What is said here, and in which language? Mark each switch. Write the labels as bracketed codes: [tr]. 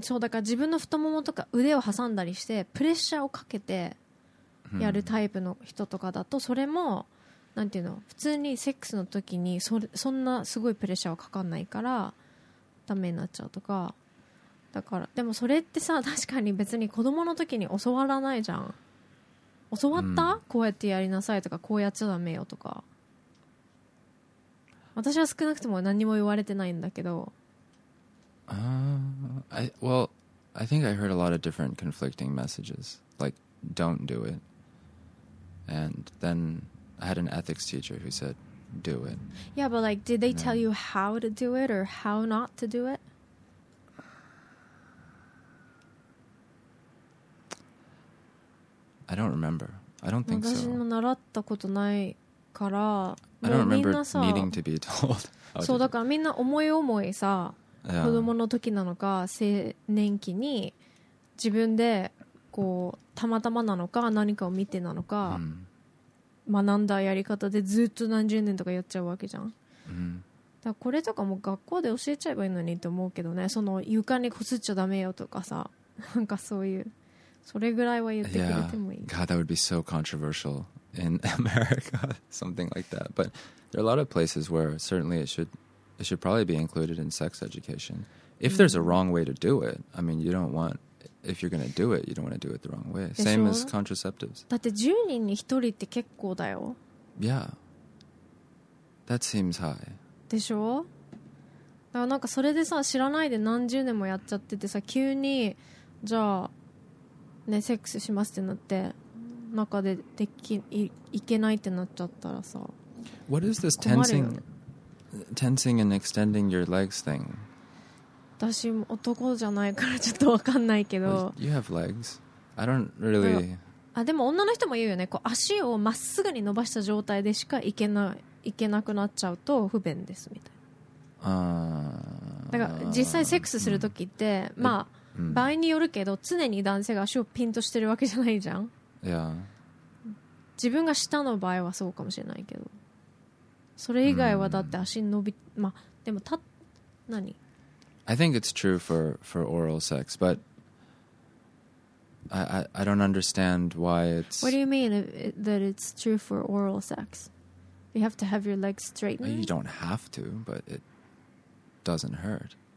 [ja] そうだから自分の太ももとか腕を挟んだりしてプレッシャーをかけてやるタイプの人とかだとそれもなんていうの普通にセックスの時に そんなすごいプレッシャーはかかんないからダメになっちゃうとか。だからでもそれってさ確かに別に子供の時に教わらないじゃん。教わった、こうやってやりなさいとかこうやっちゃダメよとか。私は少なくとも何も言われてないんだけど。 [en] I think I heard a lot of different conflicting messages. Like, don't do it. And then I had an ethics teacher who said, do it. Yeah, but like, did they tell you how to do it or how not to do it? I don't remember. I don't think so. [ja] 私も習ったことないから。 [en] I don't remember needing to be told. [ja] そうだからみんな思い思いさ、子供の時なのか青年期に自分でこうたまたまなのか何かを見てなのか学んだやり方でずっと何十年とかやっちゃうわけじゃん。だからこれとかも学校で教えちゃえばいいのにと思うけどね。その床にこすっちゃダメよとかさ、なんかそういうそれぐらいは言ってくれてもいい。 [en] God, that would be so controversial. in America, something like that. But there are a lot of places where certainly it should probably be included in sex education. If there's a wrong way to do it, I mean, you don't want, if you're going to do it, you don't want to do it the wrong way. Same as contraceptives. [ja] だって10人に1人って結構だよ。 [en] Yeah. That seems high. [ja] でしょ？だからなんかそれでさ、知らないで何十年もやっちゃっててさ、急にじゃあ、ね、セックスしますってなって、中でできいけないってなっちゃったらさ、 [en] What is this tensing, tensing and extending your legs thing? [ja] 私男じゃないからちょっと分かんないけど、 [en] well, You have legs. I don't really... [ja] あでも女の人も言うよね、こう足をまっすぐに伸ばした状態でしか行けなくなっちゃうと不便ですみたいな。だから実際セックスするときって、まあ場合によるけど、常に男性が足をピンとしてるわけじゃないじゃん。いや、自分が下の場合はそうかもしれないけど、それ以外はだって足伸び、まあでも何、 [en] I think it's true for oral sex, but I don't understand why it's... What do you mean that it's true for oral sex? You have to have your legs straightened? You don't have to, but it doesn't hurt.